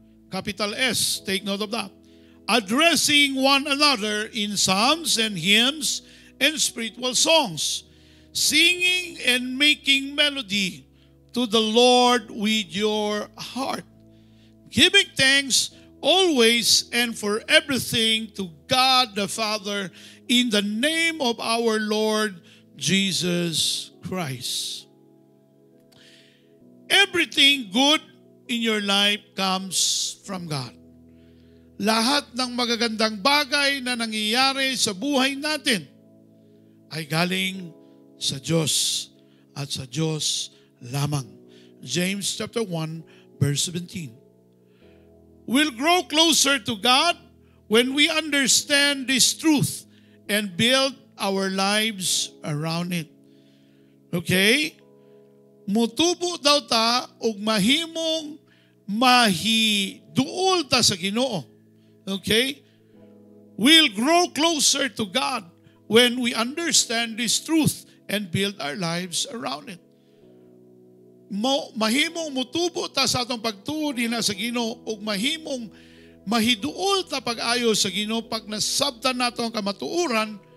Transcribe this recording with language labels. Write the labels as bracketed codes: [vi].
[en] Capital S, take note of that. Addressing one another in psalms and hymns and spiritual songs, singing and making melody to the Lord with your heart, giving thanks always and for everything to God the Father in the name of our Lord Jesus Christ. Everything good in your life comes from God. [tl] Lahat ng magagandang bagay na nangyayari sa buhay natin ay galing sa Diyos at sa Diyos lamang. [en] James chapter 1, verse 17. We'll grow closer to God when we understand this truth and build our lives around it. Okay? [ceb] Mutubo daw ta og mahimong mahiduol ta sa Ginoo. Okay? [en] We'll grow closer to God when we understand this truth and build our lives around it. [ceb] Mahimong mutubo ta sa atong pagtuo dinha sa Ginoo ug mahimong mahiduol ta pag-ayo sa Ginoo pag nasabtan nato ang kamatuoran